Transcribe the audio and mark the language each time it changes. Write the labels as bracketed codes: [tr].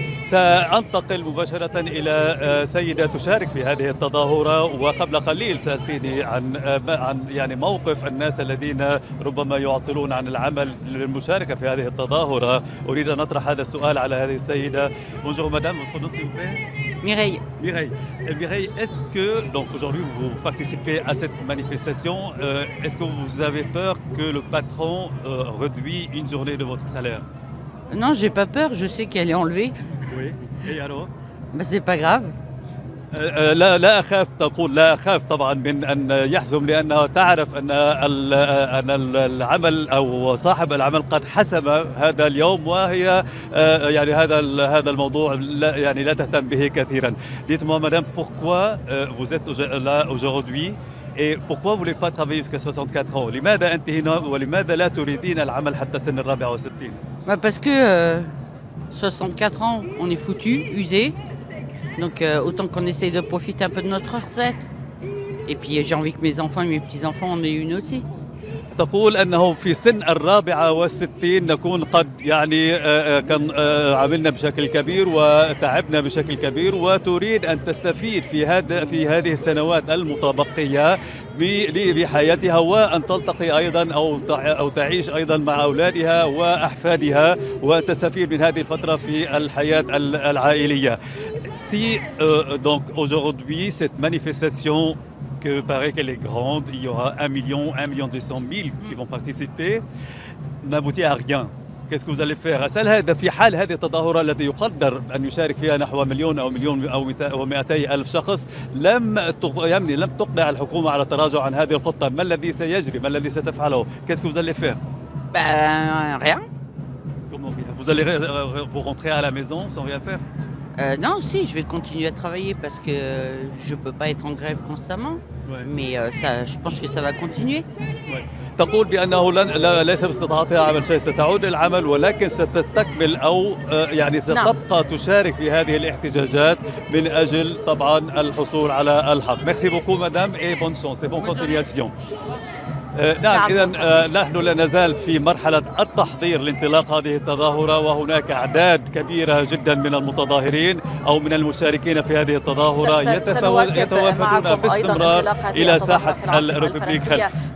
[ar] سأنتقل مباشرة إلى سيدة تشارك في هذه التظاهرة، وقبل قليل سألتني عن يعني موقف الناس الذين ربما يعطلون عن العمل للمشاركة في هذه التظاهرة. أريد أن أطرح هذا السؤال على هذه السيدة. [fr] Bonjour madame, votre nom s'il vous plaît. Mireille. Mireille. Mireille, est-ce que donc aujourd'hui vous participez à cette manifestation, est-ce que vous avez peur que le patron réduit une journée de votre salaire? Non, j'ai pas peur, je sais qu'elle est enlevée. Oui, et alors? Ben, c'est pas grave. [ar] لا أخاف، تقول لا أخاف طبعا من أن يحزم، لأنه تعرف أن العمل أو صاحب العمل قد حسم هذا اليوم، وهي يعني هذا الموضوع لا يعني لا تهتم به كثيرا. [fr] Dites-moi madame pourquoi vous êtes là aujourd'hui et pourquoi vous voulez pas travailler jusqu'à 64 ans؟ [ar] لماذا أنت هنا ولماذا لا تريدين العمل حتى سن 64؟ [fr] Bah parce que 64 ans on est foutu usé. Donc autant qu'on essaye de profiter un peu de notre retraite. Et puis j'ai envie que mes enfants et mes petits-enfants en aient une aussi. [ar] تقول أنه في سن 64 نكون قد يعني كان عملنا بشكل كبير وتعبنا بشكل كبير، وتريد أن تستفيد في هذه السنوات المتبقية بحياتها، وأن تلتقي أيضا أو تعيش أيضا مع أولادها وأحفادها، وتستفيد من هذه الفترة في الحياة العائلية. [fr] Si donc aujourd'hui cette manifestation que paraît qu'elle est grande, il y aura 1 million, 1 200 000 qui vont participer, n'aboutit à rien. Qu'est-ce que vous allez faire? [ar] هل هذا في حال هذه التظاهرة التي يقدر أن يشارك فيها نحو مليون أو مليون أو 200 ألف شخص لم تقنع الحكومة على التراجع عن هذه الخطة، ما الذي سيجري؟ ما الذي ستفعله؟ [fr] Qu'est-ce que vous allez faire? Ben rien. Comment bien? Vous allez vous rentrer à la maison sans rien faire? Non, si, je vais continuer à travailler parce que je ne peux pas être en grève constamment, ouais. Mais ça, je pense que ça va continuer. Ouais. [ar] تقول بأنه ليس باستطاعتها عمل شيء، ستعود للعمل ولكن ستستكمل أو يعني ستبقى تشارك في هذه الاحتجاجات من أجل طبعا الحصول على الحق. [fr] ميرسي بوكو مدام اي بون شونس اي بون كونتينياسيون. [ar] نعم، إذا نحن لا نزال في مرحلة التحضير لانطلاق هذه التظاهرة، وهناك أعداد كبيرة جدا من المتظاهرين أو من المشاركين في هذه التظاهرة يتوافدون باستمرار إلى ساحة الريبوبليك خلف